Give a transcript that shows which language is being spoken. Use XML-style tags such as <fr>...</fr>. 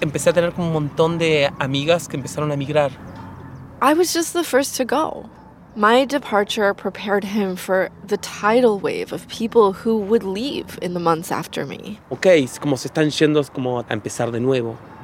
<es>Empecé a tener como un montón de amigas que empezaron a migrar.</es> <en>I was just the first to go. My departure prepared him for the tidal wave of people who would leave in the months after me.</en> <es>Okay, como se están yendo como a empezar de nuevo.</es>